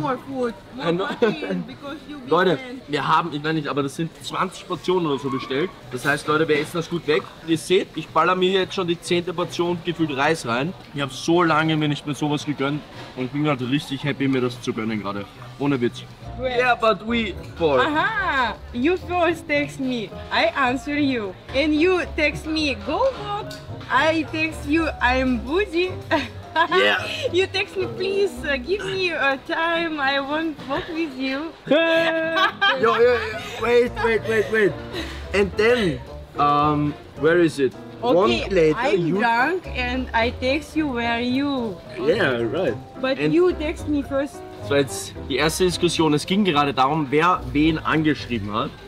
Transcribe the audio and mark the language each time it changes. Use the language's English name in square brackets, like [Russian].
[English] More food. More money, because you [German] Leute, can. Wir haben, ich meine nicht, aber das sind 20 Portionen oder so bestellt. Das heißt, Leute, wir essen das gut weg. Ihr seht, ich baller mir jetzt schon die 10. Portion gefüllt Reis rein. Ich habe so lange mir nicht mehr sowas gegönnt. Und ich bin gerade richtig happy, mir das zu gönnen gerade. Ohne Witz. [English] Well. Yeah, but we fall. Aha, you first text me, I answer you. And you text me, go walk. I text you, I'm busy. Yeah. You text me, please give me a time, I want to walk with you. Yo, wait. And then, where is it? Okay, one later, I'm you... drunk and I text you, where are you? Okay. Yeah, right. But and you text me first. [German] Das war jetzt die erste Diskussion. Es ging gerade darum, wer wen angeschrieben hat.